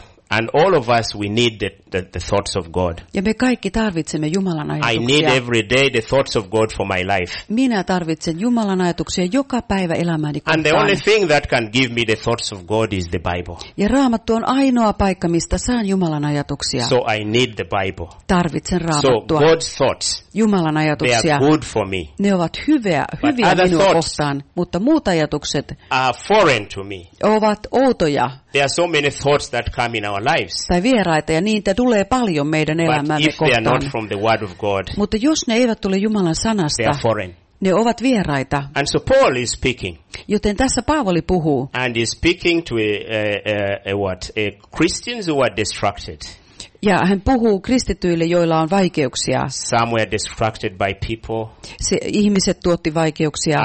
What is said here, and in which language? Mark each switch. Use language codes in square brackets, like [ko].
[en] And all of us we need the thoughts of God. [fi] Ja me kaikki tarvitsemme Jumalan ajatuksia. [en] I need every day the thoughts of God for my life. [fi] Minä tarvitsen Jumalan ajatuksia joka päivä elämäni kohtaan. [en] And the only thing that can give me the thoughts of God is the Bible. [fi] Ja Raamattu on ainoa paikka mistä saan Jumalan ajatuksia. [en] So I need the Bible. [fi] Tarvitsen Raamattua. [en] So God's thoughts. [fi] Jumalan ajatuksia. [en] They are good for me. [fi] Ne ovat hyviä minua kohtaan, mutta muut ajatukset [en] are foreign to me. [fi] Ovat outoja. [en] There are so many thoughts that come in our lives. [fi] Tai vieraita ja niitä tulee paljon meidän elämäämme kohtaan. [en] But if they are not from the word of God. [fi] Mutta jos ne eivät tule Jumalan sanasta. [en] They are foreign. [fi] Ne ovat vieraita. [en] And so Paul is speaking. [fi] Joten tässä Paavali puhuu. [en] And he's speaking to a Christians who are distracted. [fi] Ja hän puhuu kristityille, joilla on vaikeuksia. [en] Some were distracted by people. [fi] Se ihmiset tuotti vaikeuksia.